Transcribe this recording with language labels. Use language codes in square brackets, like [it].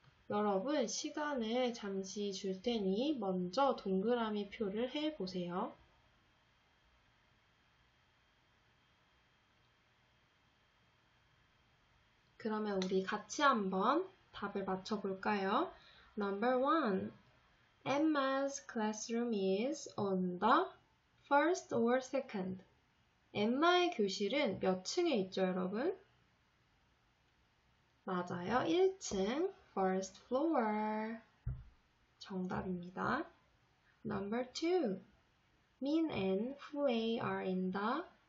[ko] 여러분 시간을 잠시 줄 테니 먼저 동그라미 표를 해 보세요. 그러면 우리 같이 한번 답을 맞춰 볼까요? [en] Number 1. Emma's classroom is on the first or second. [ko] 엠마의 교실은 몇 층에 있죠, 여러분? 맞아요. 1층. [en] First floor. [ko] 정답입니다. [en] Number 2. Min and Huey are in the.